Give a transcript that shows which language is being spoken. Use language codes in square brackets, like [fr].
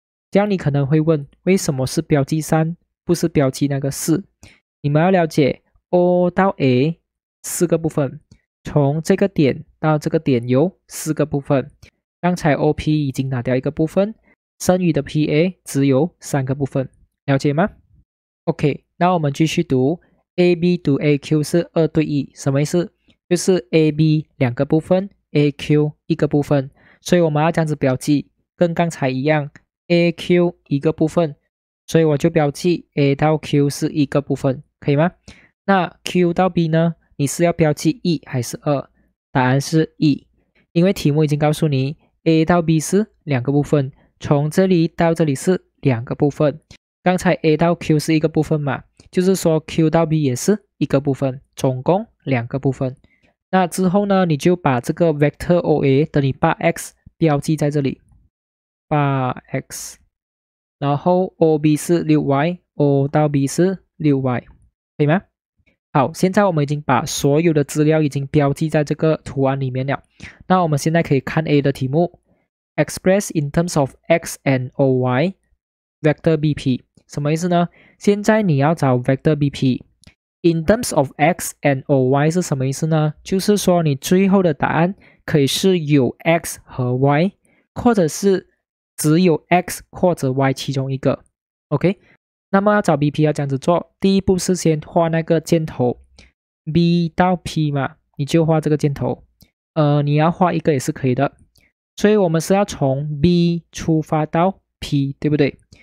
[zh] 这样你可能会问，为什么是标记3，不是标记那个4？你们要了解 O 到 A 四个部分，从这个点到这个点有四个部分，刚才 OP 已经拿掉一个部分，剩余的 PA 只有三个部分，了解吗？ OK， 那我们继续读。 AB to AQ 是2:1，什么意思？就是 AB 两个部分， AQ 一个部分，所以我们要这样子标记，跟刚才一样， AQ 一个部分，所以我就标记 A 到 Q 是一个部分，可以吗？那 Q 到 B 呢，你是要标记1还是2？答案是1，因为题目已经告诉你 A 到 B 是两个部分，从这里到这里是两个部分，刚才 A 到 Q 是一个部分嘛，就是说 Q 到 B 也是一个部分，总共两个部分。那之后呢，你就把这个 vector OA 等于 8x 标记在这里， 8x， 然后 OB 是 6y， O 到 B 是 6y， 可以吗？好，现在我们已经把所有的资料已经标记在这个图案里面了，那我们现在可以看 A 的题目。 [en] Express in terms of x and OY vector BP， [zh] 什么意思呢？现在你要找 vector BP。 [en] In terms of x and OY [zh] 是什么意思呢？就是说你最后的答案可以是有 x 和 y， 或者是只有 x 或者 y 其中一个， OK。那么要找 BP 要这样子做，第一步是先画那个箭头 B 到 P 嘛，你就画这个箭头，你要画一个也是可以的，所以我们是要从 B 出发到 P， 对不对？